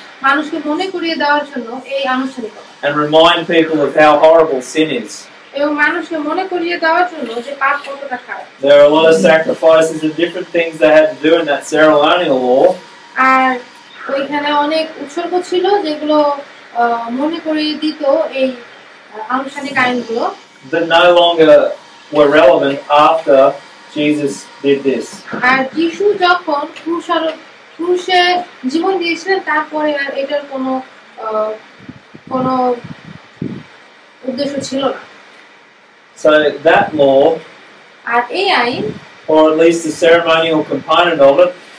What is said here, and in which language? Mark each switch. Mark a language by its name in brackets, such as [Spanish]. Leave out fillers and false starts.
[English] And remind people of how horrible sin is. There are a lot of sacrifices and different things they had to do in that ceremonial law. [Bangla] ওইখানে অনেক উৎসর্গ ছিল যেগুলো মনে করিয়ে দিত এই আনুষ্ঠানিক আইনগুলো [English] The no longer were relevant after Jesus did this. [Bangla] আর যিশু যখন ক্রুশে জীবন দিয়েছিলেন তারপরে আর এটার কোনো কোনো উদ্দেশ্য ছিল না [English] So that law [Bangla] আর এই আইন [English] or at least the ceremonial component of it